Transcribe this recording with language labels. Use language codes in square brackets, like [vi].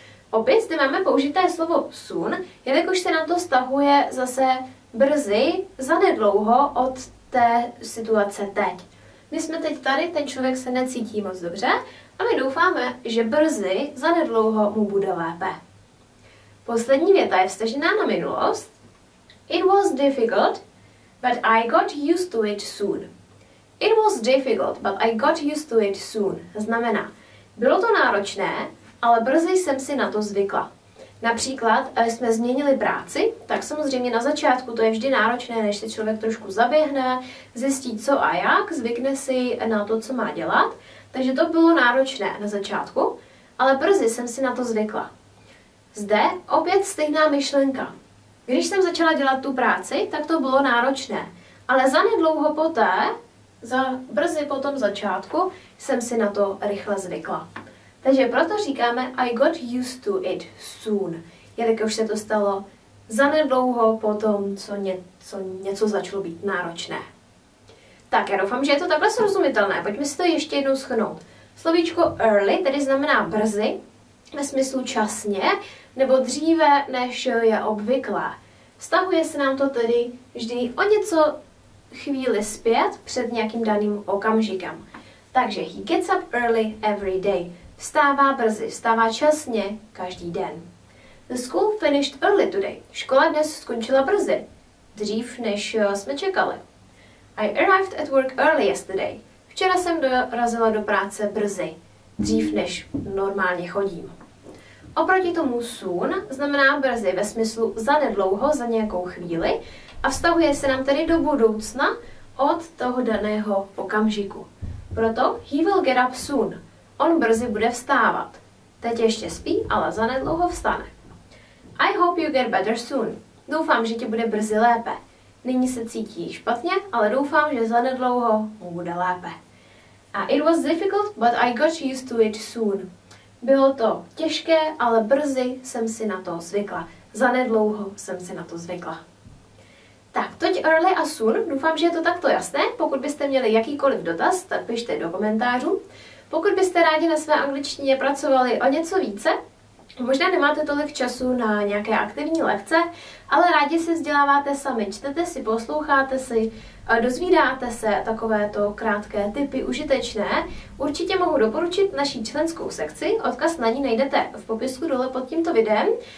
[cs] Opět zde máme použité slovo soon, jelikož se nám to stahuje zase brzy, zanedlouho od té situace teď. My jsme teď tady, ten člověk se necítí moc dobře a my doufáme, že brzy, zanedlouho mu bude lépe. Poslední věta je vztažená na minulost. [en] It was difficult, but I got used to it soon. It was difficult, but I got used to it soon. [cs] Znamená, bylo to náročné, ale brzy jsem si na to zvykla. Například, když jsme změnili práci, tak samozřejmě na začátku to je vždy náročné, než se člověk trošku zaběhne, zjistí co a jak, zvykne si na to, co má dělat. Takže to bylo náročné na začátku, ale brzy jsem si na to zvykla. Zde opět stejná myšlenka. Když jsem začala dělat tu práci, tak to bylo náročné, ale zanedlouho poté, brzy po tom začátku, jsem si na to rychle zvykla. Takže proto říkáme [en] I got used to it soon, [cs] jelikož se to stalo zanedlouho po tom, co něco začalo být náročné. Tak já doufám, že je to takhle srozumitelné, pojďme si to ještě jednou shrnout. Slovíčko early, tedy znamená brzy, ve smyslu časně, nebo dříve, než je obvyklé. Vztahuje se nám to tedy vždy o něco chvíli zpět před nějakým daným okamžikem. [en] Takže he gets up early every day. [cs] Vstává brzy, vstává časně každý den. [en] The school finished early today. [cs] Škola dnes skončila brzy, dřív než jsme čekali. [en] I arrived at work early yesterday. [cs] Včera jsem dorazila do práce brzy, dřív než normálně chodím. Oproti tomu soon znamená brzy ve smyslu zanedlouho, za nějakou chvíli a vztahuje se nám tedy do budoucna od toho daného okamžiku. [en] Proto he will get up soon. [cs] On brzy bude vstávat. Teď ještě spí, ale zanedlouho vstane. [en] I hope you get better soon. [cs] Doufám, že ti bude brzy lépe. Nyní se cítí špatně, ale doufám, že zanedlouho mu bude lépe. [en] A it was difficult, but I got used to it soon. [cs] Bylo to těžké, ale brzy jsem si na to zvykla. Zanedlouho jsem si na to zvykla. Tak, toť early a soon. Doufám, že je to takto jasné. Pokud byste měli jakýkoliv dotaz, tak pište do komentářů. Pokud byste rádi na své angličtině pracovali o něco více, možná nemáte tolik času na nějaké aktivní lekce, ale rádi se vzděláváte sami, čtete si, posloucháte si, dozvídáte se takovéto krátké tipy užitečné, určitě mohu doporučit naší členskou sekci, odkaz na ní najdete v popisku dole pod tímto videem.